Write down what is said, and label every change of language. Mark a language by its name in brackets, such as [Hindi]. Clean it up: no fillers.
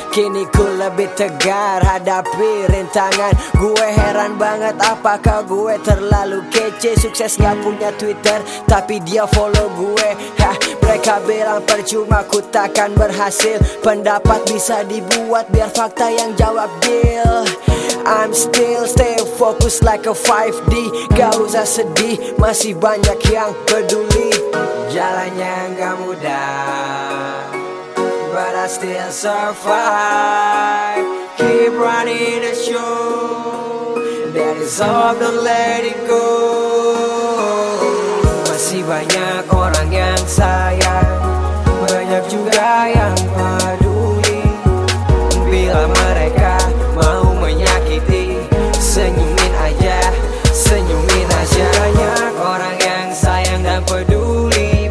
[Indonesian] Kini ku lebih tegar hadapi rintangan. Gue heran banget apakah gue terlalu kece. Sukses gak punya Twitter tapi dia follow gue. Mereka bilang percuma ku takkan berhasil. Pendapat bisa dibuat biar fakta yang jawab deal. [English] I'm still stay focused like a 5D. [Indonesian] Gak usah sedih, masih banyak yang peduli. Jalannya gak mudah [English] but I still survive. Keep running the show, that is all, don't let it go. [Indonesian] Masih banyak orang yang sayang, banyak juga yang peduli. Bila mereka mau menyakiti, senyumin aja, senyumin aja. Masih banyak orang yang sayang dan peduli.